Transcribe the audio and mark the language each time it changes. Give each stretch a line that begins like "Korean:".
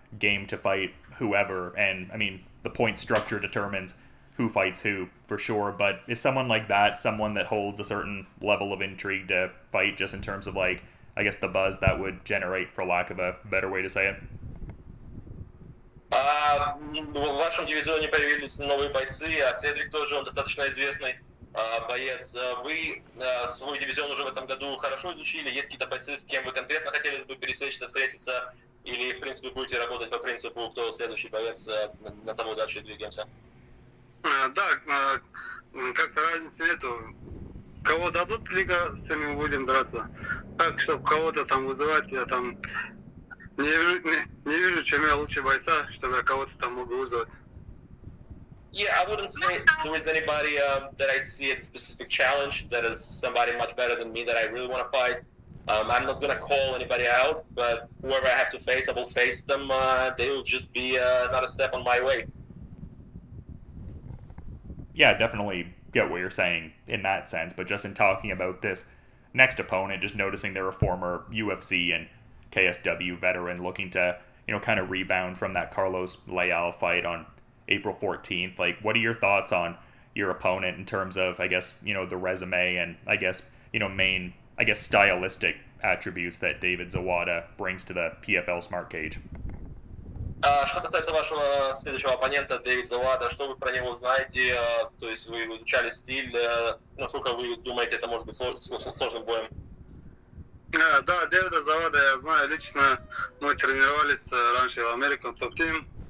English: game to fight whoever, and I mean the point structure determines who fights who for sure, but is someone like that someone that holds a certain level of intrigue to fight, just in terms of like, I guess, the buzz that would generate, for lack of a better way to say it?
Russian: В вашем дивизионе появились новые бойцы, а Седрик тоже, он достаточно известный боец. Вы свой дивизион уже в этом году хорошо изучили. Есть какие-то бойцы, с кем вы конкретно хотели бы пересечься, встретиться? Или, в принципе, будете работать по принципу, кто следующий боец, на того дальше двигаемся? Да, как-то разницы нету. Кого дадут, лига, с теми будем драться. Так, чтобы кого-то там вызывать, я там... Не вижу, чем я лучше бойца, чтобы я кого-то там мог вызвать.
English: Yeah, I wouldn't say there is anybody that I see as a specific challenge that is somebody much better than me that I really want to fight. I'm not gonna call anybody out, but whoever I have to face, I will face them. They will just be another step on my way. Yeah, definitely get what you're saying in that sense, but just in talking about this next opponent, just noticing they're a former UFC and KSW veteran looking to, you know, kind of rebound from that Carlos Leal fight on April 14th. Like, what are your thoughts on your opponent in terms of, I guess, you know, the resume and, I guess, you know, main, I guess, stylistic attributes that David Zawada brings to the PFL Smart Cage?
Russian: Что касается вашего следующего оппонента, Дэвид Завада, что вы про него знаете? То есть вы изучали стиль, насколько вы думаете, это может быть сложным боем? Да, Дэвида Завада я знаю лично. Мы тренировались раньше в American Top Team.